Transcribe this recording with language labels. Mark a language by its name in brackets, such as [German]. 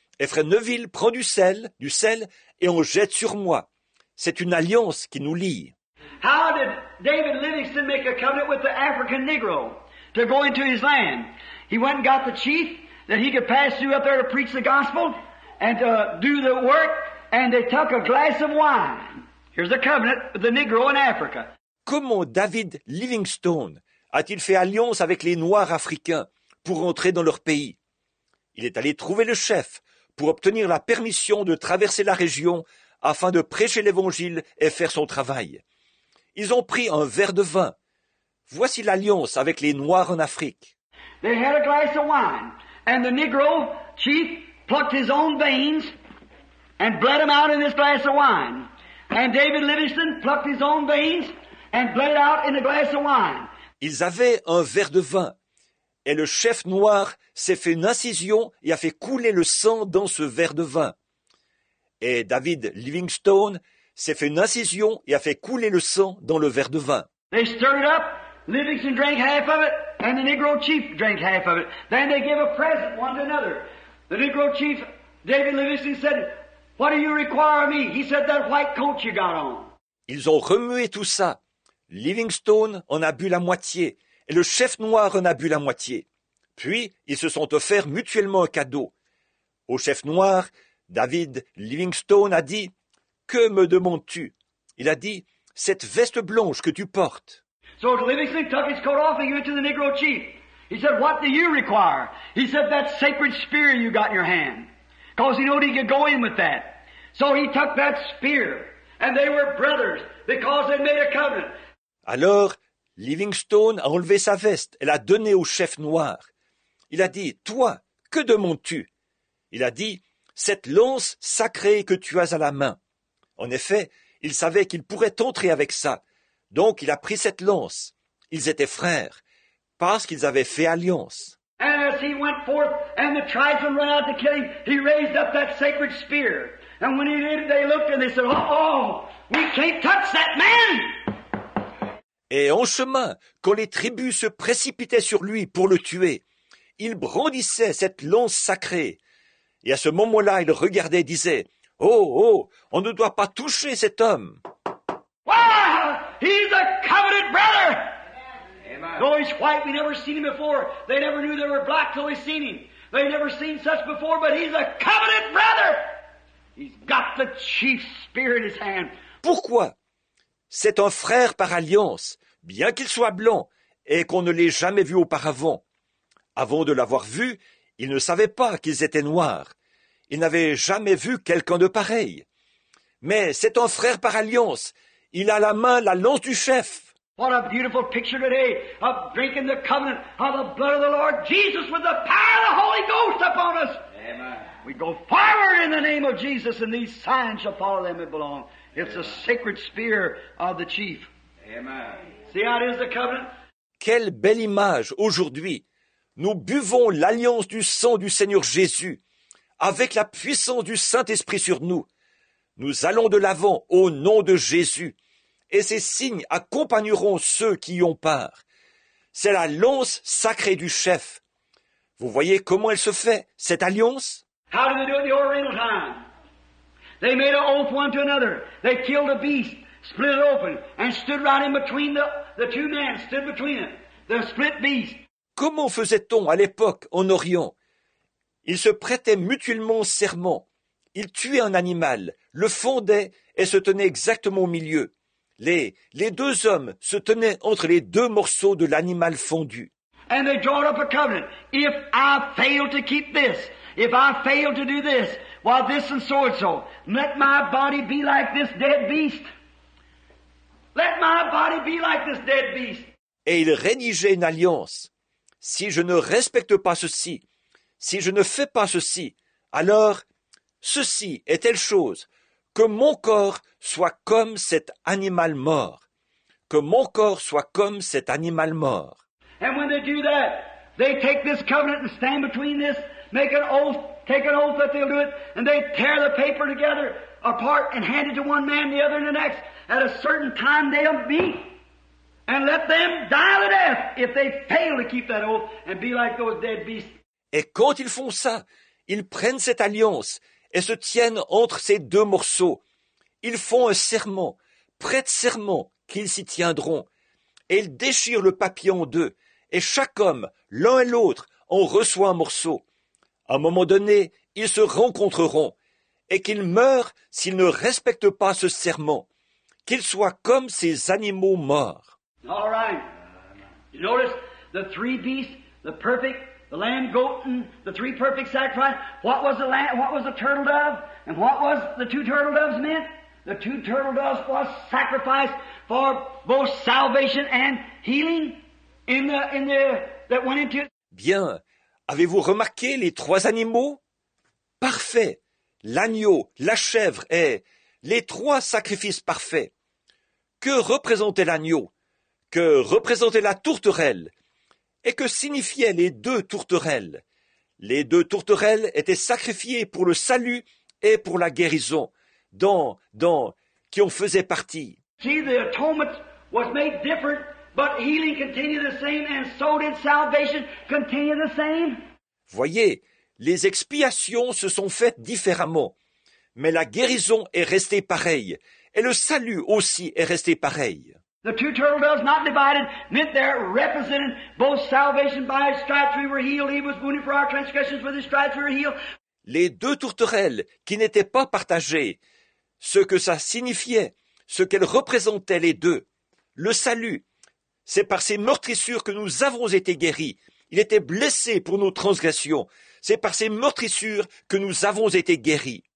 [French] Et Fresneville prend du sel, et on jette sur moi. C'est une alliance qui nous lie. [English] How did David Livingstone make a covenant with the African Negro to go into his land? He went and got the chief that he could pass through up there to preach the gospel and to do the work, and they took a glass of wine. Here's a covenant with the Negro in Africa. [French] Comment David Livingstone a-t-il fait alliance avec les Noirs africains pour entrer dans leur pays? Il est allé trouver le chef pour obtenir la permission de traverser la région afin de prêcher l'évangile et faire son travail. Ils ont pris un verre de vin. Voici l'alliance avec les Noirs en Afrique. [English] They had a glass of wine, and the Negro chief plucked his own veins and bled them out in this glass of wine. And David Livingstone plucked his own veins and bled out in a glass of wine. [French] Ils avaient un verre de vin, et le chef noir s'est fait une incision et a fait couler le sang dans ce verre de vin. Et David Livingstone s'est fait une incision et a fait couler le sang dans le verre de vin. [English] They stirred it up. Livingstone drank half of it, and the Negro chief drank half of it. Then they gave a present one to another. The Negro chief, David Livingstone, said, "What do you require of me?" He said, "That white coat you got on." [French] Ils ont remué tout ça. Livingstone en a bu la moitié, et le chef noir en a bu la moitié. Puis, ils se sont offerts mutuellement un cadeau. Au chef noir, David Livingstone a dit, « Que me demandes-tu ? » Il a dit, « Cette veste blanche que tu portes. » [English] So Livingstone took his coat off and gave it to the Negro chief. He said, "What do you require?" He said, "That sacred spear you got in your hand." Because he knew he could go in with that. So he took that spear, and they were brothers, because they made a covenant. [French] Alors, Livingstone a enlevé sa veste et l'a donnée au chef noir. Il a dit, « Toi, que demandes-tu ? » Il a dit, « Cette lance sacrée que tu as à la main. » En effet, il savait qu'il pourrait entrer avec ça. Donc, il a pris cette lance. Ils étaient frères, parce qu'ils avaient fait alliance. [English] And as he went forth, and the tribesmen ran out to kill him, he raised up that sacred spear. And when he did, they looked and they said, "Oh, we can't touch that man!" [French] Et en chemin, quand les tribus se précipitaient sur lui pour le tuer, il brandissait cette lance sacrée. Et à ce moment-là, il regardait et disait, « Oh, oh, on ne doit pas toucher cet homme. » [English] Wow, he's a covenant brother. Amen. Though he's white, we never seen him before. They never knew they were black till they seen him. They never seen such before, but he's a covenant brother. He's got the chief spear in his hand. [French] Pourquoi? C'est un frère par alliance, bien qu'il soit blanc et qu'on ne l'ait jamais vu auparavant. Avant de l'avoir vu, ils ne savaient pas qu'ils étaient noirs. Ils n'avaient jamais vu quelqu'un de pareil. Mais c'est un frère par alliance. Il a la main la lance du chef. [English] What a beautiful picture today of breaking the covenant of the blood of the Lord Jesus with the power of the Holy Ghost upon us. Amen. We go forward in the name of Jesus, and these signs shall follow them that belong. It's a sacred spear of the chief. Amen. See how it is the covenant? [French] Quelle belle image aujourd'hui. Nous buvons l'alliance du sang du Seigneur Jésus avec la puissance du Saint-Esprit sur nous. Nous allons de l'avant au nom de Jésus et ces signes accompagneront ceux qui y ont part. C'est la lance sacrée du chef. Vous voyez comment elle se fait, cette alliance? [English] How did they do it in the oriental time? They made an oath one to another. They killed a beast, split it open, and stood right in between the two men, stood between them, the split beast. [French] Comment faisait-on à l'époque en Orient? Ils se prêtaient mutuellement serment. Ils tuaient un animal, le fondaient et se tenaient exactement au milieu. Les deux hommes se tenaient entre les deux morceaux de l'animal fondu. [English] And they draw up a covenant. If I fail to keep this, if I fail to do this, while this and so and so, let my body be like this dead beast. Let my body be like this dead beast. [French] Et ils rédigeaient une alliance. Si je ne respecte pas ceci, si je ne fais pas ceci, alors ceci et telle chose, que mon corps soit comme cet animal mort, que mon corps soit comme cet animal mort. [English] And when they do that, they take this covenant and stand between this, take an oath that they'll do it, and they tear the paper together apart and hand it to one man, the other, and the next. At a certain time, they'll meet. And let them die to death if they fail to keep that oath and be like those dead beasts. [French] Et quand ils font ça, ils prennent cette alliance et se tiennent entre ces deux morceaux. Ils font un serment, prête serment qu'ils s'y tiendront. Et ils déchirent le papier en deux. Et chaque homme, l'un et l'autre, en reçoit un morceau. À un moment donné, ils se rencontreront. Et qu'ils meurent s'ils ne respectent pas ce serment. Qu'ils soient comme ces animaux morts. [English] All right. You notice the three beasts, the perfect, the lamb, goat, and the three perfect sacrifices. What was the lamb, what was the turtle dove? And what was the two turtle doves meant? The two turtle doves was sacrificed for both salvation and healing in the that went into it. [French] Bien. Avez-vous remarqué les trois animaux? Parfait. L'agneau, la chèvre et les trois sacrifices parfaits. Que représentait l'agneau? Que représentait la tourterelle? Et que signifiaient les deux tourterelles? Les deux tourterelles étaient sacrifiées pour le salut et pour la guérison, dans qui en faisait partie. [English] See, the atonement was made different, but healing continued the same, and so did salvation continue the same. [French] Voyez, les expiations se sont faites différemment, mais la guérison est restée pareille, et le salut aussi est resté pareil. [English] The two turtle doves not divided meant they're representing both salvation by his stripes we were healed. He was wounded for our transgressions, with his stripes we were healed. [French] Les deux tourterelles qui n'étaient pas partagées, ce que ça signifiait, ce qu'elles représentaient les deux, le salut, c'est par ses meurtrissures que nous avons été guéris. Il était blessé pour nos transgressions. C'est par ses meurtrissures que nous avons été guéris.